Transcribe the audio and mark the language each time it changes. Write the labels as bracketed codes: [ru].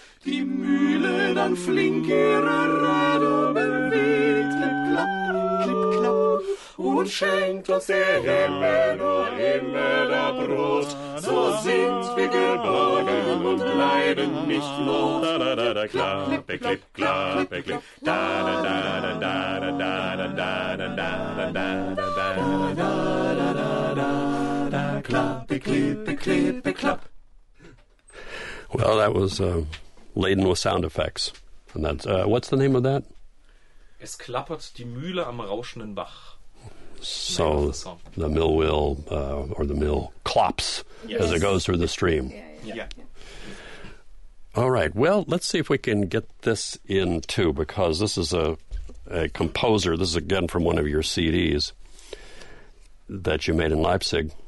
[de] die Mühle dann flink ihre Räder bewegt, klipp, klapp, klipp, klapp, und schenkt uns der Himmel, o Himmel, der Brot, so sind wir geborgen und leiden nicht los. Klappe, klipp, klappe, klipp, da, da, da, da, da, da, da, da, da, da, da, da, da, da, da, da, da, da, klapp. [en] Well, that was laden with sound effects. And that's, what's the name of that? [de] Es klappert die Mühle am rauschenden Bach. [en] So the mill wheel, or the mill clops as it goes through the stream. Yeah. All right, well, let's see if we can get this in too, because this is a composer. This is again from one of your CDs that you made in Leipzig.